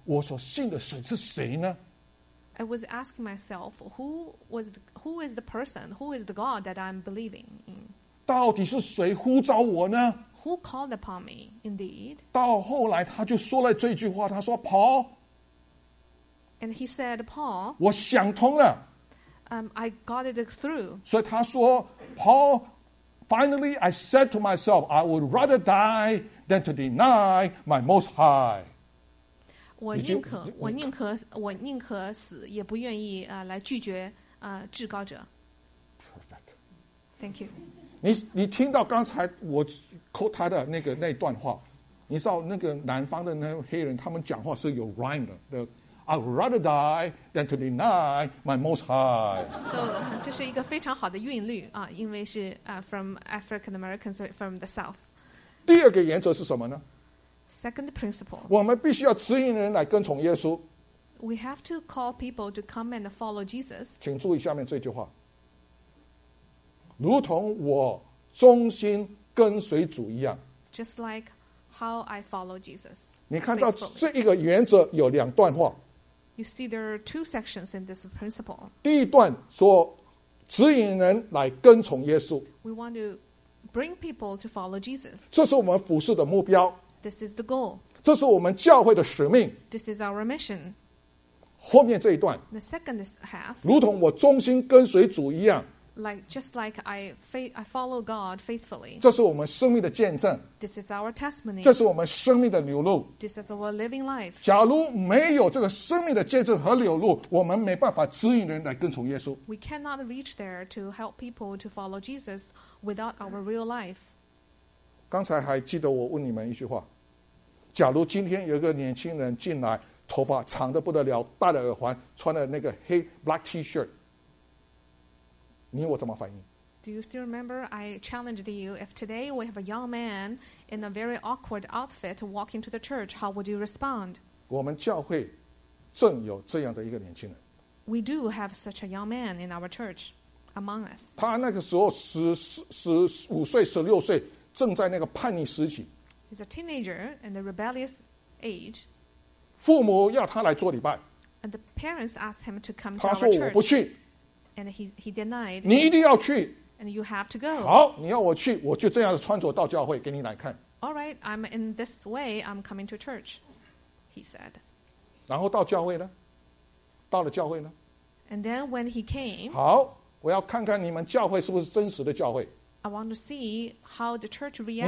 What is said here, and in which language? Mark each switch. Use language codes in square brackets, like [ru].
[zh] 我说到底我所信的神是谁呢? [en] I was asking myself, who is the person, who is the God that I'm believing in? [zh] 到底是谁呼召我呢? [en] Who called upon me, indeed? [zh] 到后来他就说了这句话, 他说, Paul, [en] And he said, Paul, [zh] 我想通了, [en] I got it through. [zh] 所以他说, [en] Paul, finally I said to myself, I would rather die than to deny my Most High. [zh] 我宁可死也不愿意来拒绝至高者。 [en] Perfect. Thank you. [zh] 你听到刚才我quote他的那段话, 你知道那个南方的那黑人他们讲话是有 rhyme 的, [en] I'd rather die than to deny my Most High. [zh] So, 这是一个非常好的韵律, 因为是, [en] from African Americans from the South. [zh] 第二个原则是什么呢? [en] Second principle. [zh] 我们必须要指引人来跟从耶稣。 [en] We have to call people to come and follow Jesus. [zh] 请注意下面这句话。如同我忠心跟随主一样。 [en] Just like how I follow Jesus. [zh] 你看到这一个原则有两段话。 [en] You see, there are two sections in this principle. [zh] 第一段说指引人来跟从耶稣。 [en] We want to bring people to follow Jesus. [zh] 这是我们服事的目标。 [en] This is the goal. [zh] 这是我们教会的使命。 [en] This is our mission. [zh] 后面这一段。 [en] The second half. [zh] 如同我忠心跟随主一样。 [en] Like just like I follow God faithfully. [zh] 这是我们生命的见证。 [en] This is our testimony. [zh] 这是我们生命的流露。 [en] This is our living life. [zh] 假如没有这个生命的见证和流露, 我们没办法指引人来跟从耶稣。 [en] We cannot reach there to help people to follow Jesus without our real life. [zh] 刚才还记得我问你们一句话。假如今天有一个年轻人进来, 头发长得不得了, 戴了耳环, 穿了那个黑 black t-shirt, 你我怎么反应? [en] Do you still remember I challenged you, if today we have a young man in a very awkward outfit walking to the church, how would you respond? [zh] 我们教会正有这样的一个年轻人。 [en] We do have such a young man in our church among us. [zh] 他那个时候十五岁十六岁, 正在那个叛逆时期。 [en] He's a teenager in the rebellious age. [zh] 父母要他来做礼拜。 [en] And the parents asked him to come [zh] 他说, [en] to our church. [zh] 我不去。 [en] And he denied. [zh] 你一定要去。 [en] And you have to go. [zh] 好, 你要我去, 我就这样穿着到教会给你来看。 [en] All right, I'm in this way, I'm coming to church, he said. [zh] 然后到教会呢?到了教会呢? [en] And then when he came, [zh] 好, 我要看看你们教会是不是真实的教会。 [en] I want to see how the church reacted.